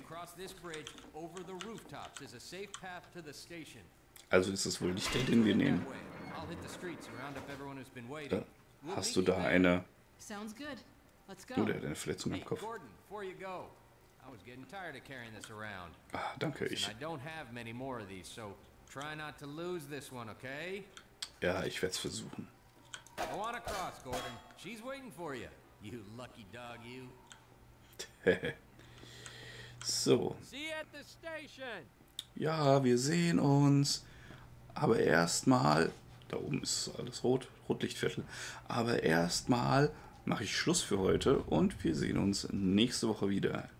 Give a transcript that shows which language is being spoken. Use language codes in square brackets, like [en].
[en] Across this bridge, over the rooftops, is a safe path to the station. [de] Also ist das wohl nicht der, den wir nehmen. [en] I'll hit the streets and round up everyone who's been waiting. [de] Hast du da eine? [en] Sounds good. Let's go. [de] Du, der hat eine Verletzung im Kopf. [en] Gordon, before you go, I was getting tired of carrying this around. [de] Ah, danke, ich. [en] I don't have many more of these, so try not to lose this one, okay? [de] Ja, ich werde es versuchen. [en] Go on across, Gordon. She's waiting for you. You lucky dog, you. So. See you at the station. [de] Ja, wir sehen uns. Aber erstmal. Da oben ist alles rot, Rotlichtviertel. Aber erstmal mache ich Schluss für heute und wir sehen uns nächste Woche wieder.